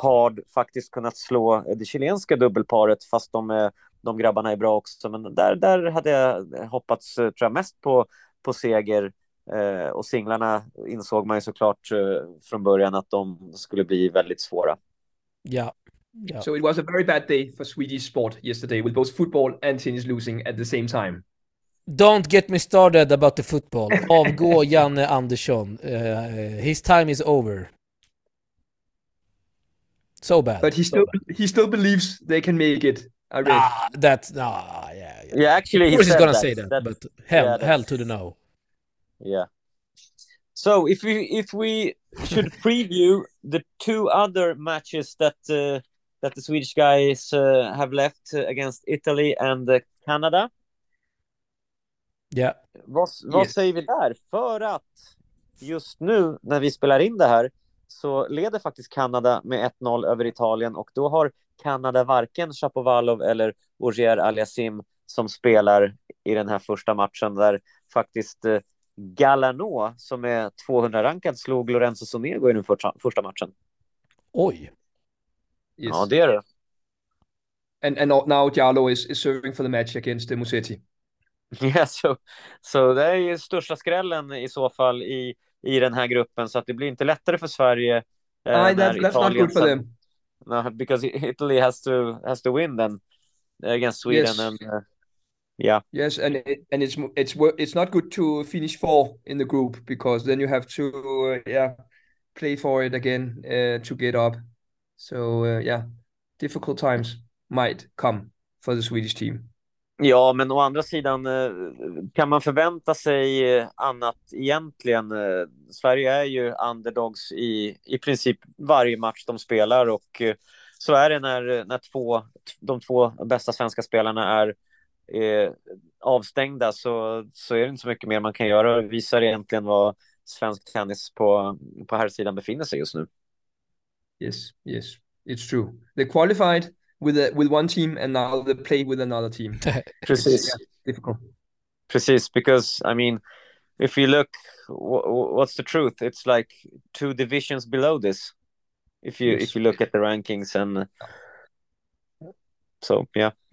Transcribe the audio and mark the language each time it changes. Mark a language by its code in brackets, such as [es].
[sv] hard faktiskt kunnat slå det chilenska dubbelparet, fast de grabbarna är bra också, men där hade jag hoppats, tror jag, mest på seger. Och singlarna insåg man ju såklart från början att de skulle bli väldigt svåra. [en] Yeah. Yeah. So it was a very bad day for Swedish sport yesterday, with both football and tennis losing at the same time. Don't get me started about the football. [sv] Avgå Janne Andersson. [en] His time is over. So bad. But he still believes they can make it. Yeah, actually, of course he's gonna say that. But hell to the no. Yeah. So if we should preview the two other matches that the Swedish guys have left against Italy and Canada. Yeah. [sv] Vad säger vi där? För att just nu när vi spelar in det här så leder faktiskt Kanada med 1-0 över Italien, och då har Kanada varken Shapovalov eller Ogier Aliassime som spelar i den här första matchen, där faktiskt Galano, som är 200-rankad, slog Lorenzo Sonego i den första matchen. Oj. Yes. Ja, det är det. [en] And now Giallo is serving for the match against the Musetti. [sv] Så det är ju största skrällen i så fall i den här gruppen, så att det blir inte lättare för Sverige. [en] Nej, that's not good for them. No, because Italy has to win then against Sweden. Yes. And, yeah. Yes, and it's not good to finish four in the group, because then you have to play for it again to get up. So difficult times might come for the Swedish team. [sv] Ja, men å andra sidan, kan man förvänta sig annat egentligen? Sverige är ju underdogs i princip varje match de spelar, och så är det när de två bästa svenska spelarna är avstängda, så är det inte så mycket mer man kan göra. Det visar egentligen vad svensk tennis på här sidan befinner sig just nu. [en] Yes, it's true. They qualified with one team and now they play with another team. [sv] Precis. [en] Yeah, difficult. Precis, because I mean, if you look, what's the truth? It's like two divisions below this. If you look at the rankings and so, yeah.